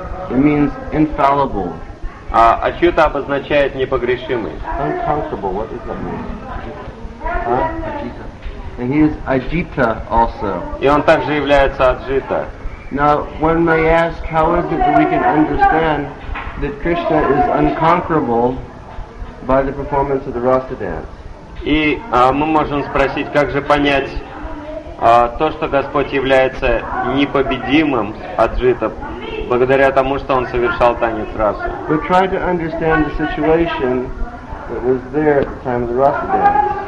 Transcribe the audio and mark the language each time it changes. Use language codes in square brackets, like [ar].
[en] It means infallible. [ru] А Achyuta обозначает непогрешимый. [en] Uncomfortable. What does that mean? Achyuta. And he is Ajita also. [ru] И он также является Аджита. [en] Now, one may ask, how is it that we can understand that Krishna is unconquerable by the performance of the Rasa dance. [ru] И мы можем спросить, как же понять то, что Господь является непобедимым Аджита, благодаря тому, что Он совершал танец Раса. [en] We try to understand the situation that was there at the time of the Rasa dance.